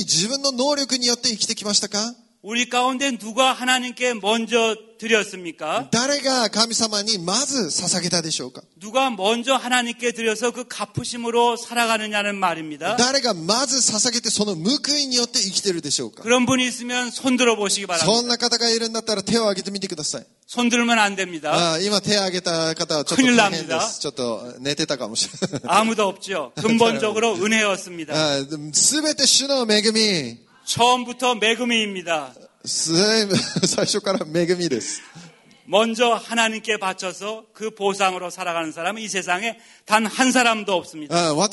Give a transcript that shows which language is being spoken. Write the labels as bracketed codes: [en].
[ja] 皆さん今まで生きてきたのは自分の義、自分の能力によって生きてきましたか? [ko] 우리 가운데 누가 하나님께 먼저 드렸습니까? [ja] 誰が神様にまず捧げたでしょうか? [ko] 누가 먼저 하나님께 드려서 그 갚으심으로 살아가느냐는 말입니다. [ja] 誰がまず捧げてその報いによって生きてるでしょうか? [ko] 그런 분이 있으면 손들어 보시기 바랍니다. [ja] そんな方がいるんだったら手を挙げてみてください。 [ko] 손들면 안 됩니다. [ja] 今手を挙げた方はちょっと大変です。ちょっと寝てたかもしれない。 [ko] 아무도 없죠. 근본적으로 은혜였습니다. [ja] 全て主の恵み。 [ko] 처음부터 매금이입니다. [ja] 最初から恵みです。 [ko] 먼저 하나님께 바쳐서 그 보상으로 살아가는 사람은 이 세상에 단 한 사람도 없습니다.